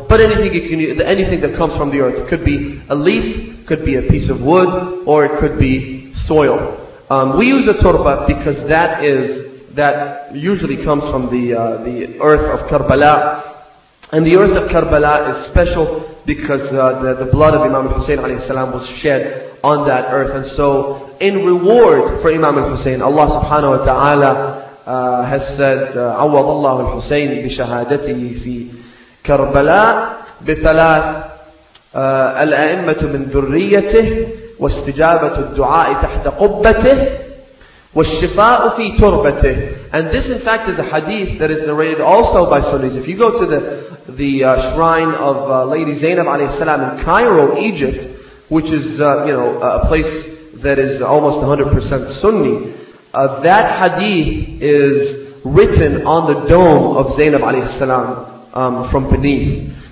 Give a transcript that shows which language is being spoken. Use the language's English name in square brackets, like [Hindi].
[English] But anything that comes from the earth, it could be a leaf, could be a piece of wood, or it could be soil. We use a turba because that usually comes from the earth of Karbala. And the earth of Karbala is special because the blood of Imam al-Husayn alayhi salam was shed on that earth. And so in reward for Imam al-Husayn, Allah subhanahu wa ta'ala has said, [Arabic] عَوَّضَ اللَّهُ الْحُسَيْنِ بِشَهَادَتِهِ فِي كَرْبَلَا بِثَلَاثِ الْأَئِمَّةُ مِنْ ذُرِّيَّتِهِ وَاسْتِجَابَةُ الدُّعَاءِ تَحْتَ قُبَّتِهِ وَالشِّفَاءُ فِي تُرْبَتِهِ. [English] And this in fact is a hadith that is narrated also by Sunnis. If you go to the shrine of Lady Zainab alayhi salam in Cairo, Egypt, which is a place that is almost 100% Sunni, that hadith is written on the dome of Zainab alayhi salam from beneath.